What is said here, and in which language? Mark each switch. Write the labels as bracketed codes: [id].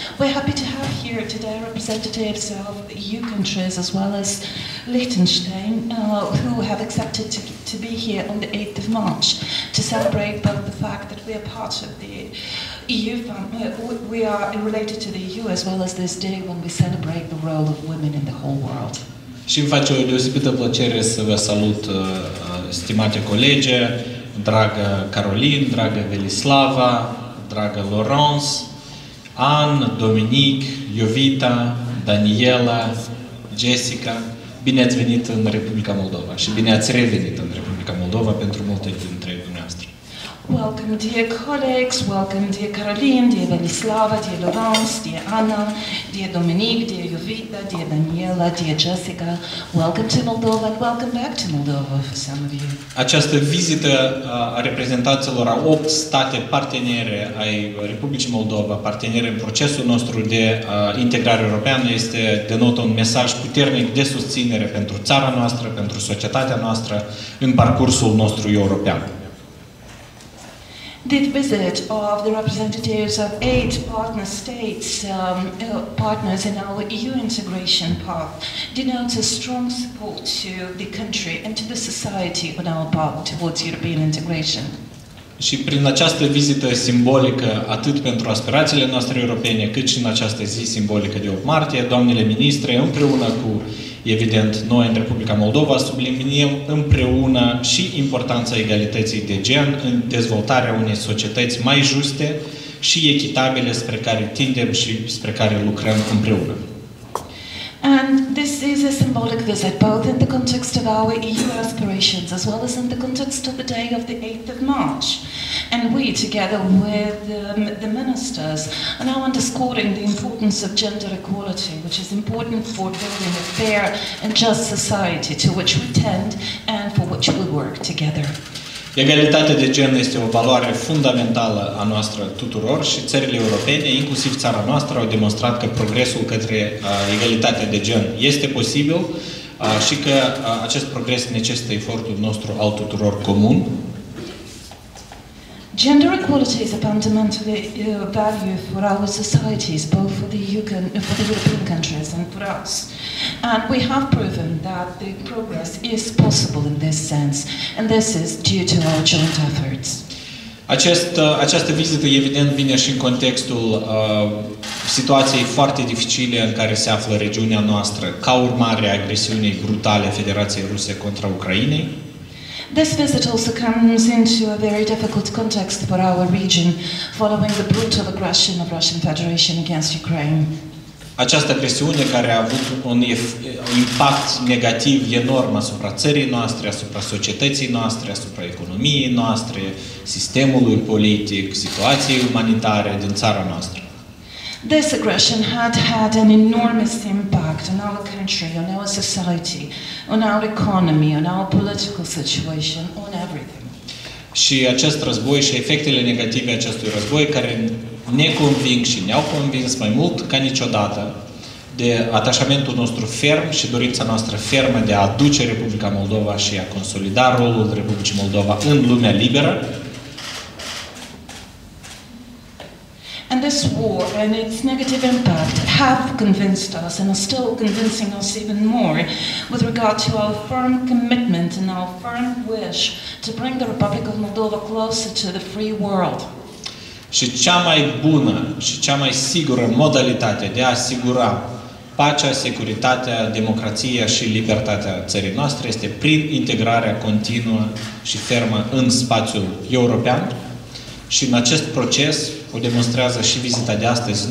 [en] We're happy to have here today representatives of EU countries as well as Liechtenstein who have accepted to be here on the 8th of March to celebrate both the fact that we are part of the EU family, we are related to the EU as well as this day when we celebrate the role of women in the whole world. [ro] Și îmi face o deosebită plăcere să vă salut, stimate colege, dragă Caroline, dragă Velislava, dragă Laurence, Ann, Dominic, Jovita, Daniela, Jessica. Bine ați venit în Republica Moldova și bine ați revenit în Republica Moldova pentru multe dintre dumneavoastră. [en] Welcome, dear colleagues. Welcome, dear Caroline, dear Velislava, dear Laurence, dear Anna, dear Dominique, dear Jovita, dear Daniela, dear Jessica. Welcome to Moldova and welcome back to Moldova for some of you. [ro] Această vizită a reprezentanților a 8 state partenere ai Republicii Moldova, partenere în procesul nostru de integrare europeană, este denotă un mesaj puternic de susținere pentru țara noastră, pentru societatea noastră în parcursul nostru european. [en] The visit of the representatives of 8 partner states, partners in our EU integration path, denotes a strong support to the country and to the society on our path towards European integration. [ro] Și prin această vizită simbolică, atât pentru aspirațiile noastre europene, cât și în această zi simbolică de 8 martie, doamnele ministre, împreună cu, evident, noi în Republica Moldova, subliniem împreună și importanța egalității de gen în dezvoltarea unei societăți mai juste și echitabile spre care tindem și spre care lucrăm împreună. [en] And this is a symbolic visit, both in the context of our EU aspirations, as well as in the context of the day of the 8th of March. And we, together with the ministers, are now underscoring the importance of gender equality, which is important for building a fair and just society to which we tend and for which we work together. [ro] Egalitatea de gen este o valoare fundamentală a noastră tuturor și țările europene, inclusiv țara noastră, au demonstrat că progresul către egalitatea de gen este posibil și că acest progres necesită efortul nostru al tuturor comun. [en] Gender equality is a fundamental value for our societies, both for the EU for the European countries and for us. And we have proven that the progress is possible in this sense, and this is due to our joint efforts. [ro] Această vizită, evident, vine și în contextul situației foarte dificile în care se află regiunea noastră, ca urmare a agresiunii brutale a Federației Ruse contra Ucrainei. [en] This visit also comes into a very difficult context for our region following the brutal aggression of Russian Federation against Ukraine. [ro] Această agresiune care a avut un impact negativ enorm asupra țării noastre, asupra societății noastre, asupra economiei noastre, sistemului politic, situației umanitare din țara noastră. [en] This aggression had had an enormous impact on our country, on our society, on our economy, on our political situation, on everything. [ro] Și acest război și efectele negative acestui război, care ne conving și ne-au convins mai mult ca niciodată de atașamentul nostru ferm și dorința noastră fermă de a aduce Republica Moldova și a consolida rolul Republicii Moldova în lumea liberă. [en] And this war and its negative impact have convinced us and are still convincing us even more with regard to our firm commitment and our firm wish to bring the Republic of Moldova closer to the free world. [ro] Și cea mai bună și cea mai sigură modalitate de a asigura pacea, securitatea, democrația și libertatea țării noastre este prin integrarea continuă și fermă în spațiul european. Și în acest proces o demonstrează și vizita de astăzi.